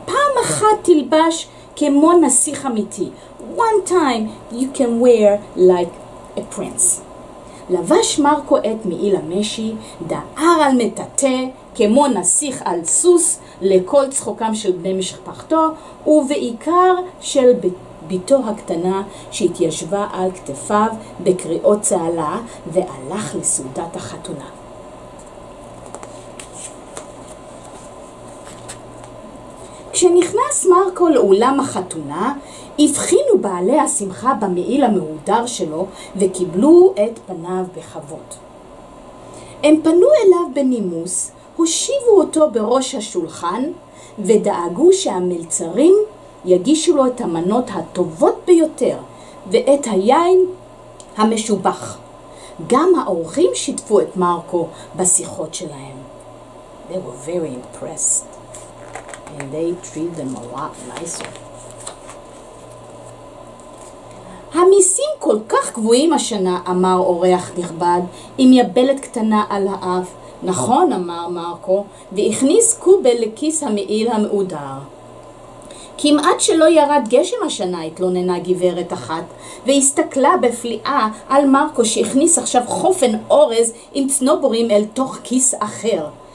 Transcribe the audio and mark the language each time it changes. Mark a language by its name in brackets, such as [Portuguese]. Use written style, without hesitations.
[Hebrew] פעם אחת תלבש כמו נסיך אמיתי. [English] One time you can wear like a prince. [Hebrew] לבש מרקו את מעיל המשי, דאר על מטאטא, כמו נסיך על סוס, לכל צחוקם של בני משפחתו, ובעיקר של ביתו הקטנה שהתיישבה על כתפיו בקריאות צהלה, והלך לסעודת החתונה. כשנכנס מרקו לאולם החתונה, הבחינו בעלי השמחה במעיל המהודר שלו וקיבלו את פניו בכבוד. הם פנו אליו בנימוס, הושיבו אותו בראש השולחן ודאגו שהמלצרים יגישו לו את המנות הטובות ביותר ואת היין המשובח. גם האורחים שיתפו את מרקו בשיחות שלהם. [English] They were very impressed and they treated them a lot nicer. [Hebrew] המיסים כל כך גבוהים השנה, אמר אורח נכבד, עם יבלת קטנה על האף. נכון, אמר מרקו, והכניס קובל לכיס המעיל המעודר. כמעט שלא ירד גשם השנה, התלוננה גברת אחת, והסתכלה בפליאה על מרקו שהכניס עכשיו חופן אורז עם צנוברים אל תוך כיס אחר.